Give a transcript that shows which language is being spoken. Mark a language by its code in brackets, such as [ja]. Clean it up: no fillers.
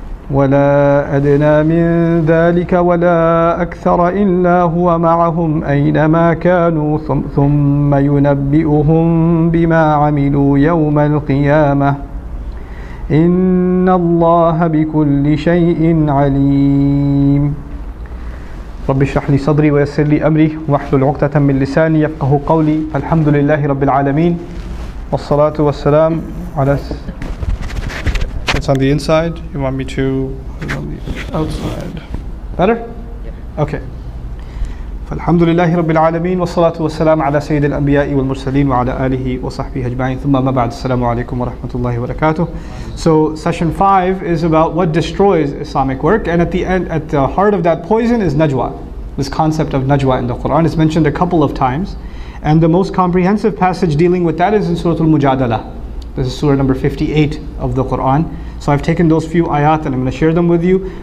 [ar] ولا أدنى من ذلك ولا أكثر إلا هو معهم أينما كانوا ثم ينبئهم بما عملوا يوم القيامة إن الله بكل شيء عليم رب اشرح لي صدري ويسر لي أمري واحلل عقدة من لساني يفقه قولي الحمد لله رب العالمين والصلاة والسلام على [en] It's on the inside. You want me to on the outside? Better? Yeah. Okay. [ar] فالحمدلله رب العالمين والصلاة والسلام على سيد الأنبياء والمرسلين وعلى آله وصحبه أجمعين ثم ما بعد السلام عليكم ورحمة الله وبركاته. [en] So session 5 is about what destroys Islamic work, and at the heart of that poison is Najwa. This concept of Najwa in the Quran is mentioned a couple of times, and the most comprehensive passage dealing with that is in Surah Al-Mujadala. This is surah number 58 of the Quran. So I've taken those few ayat and I'm going to share them with you.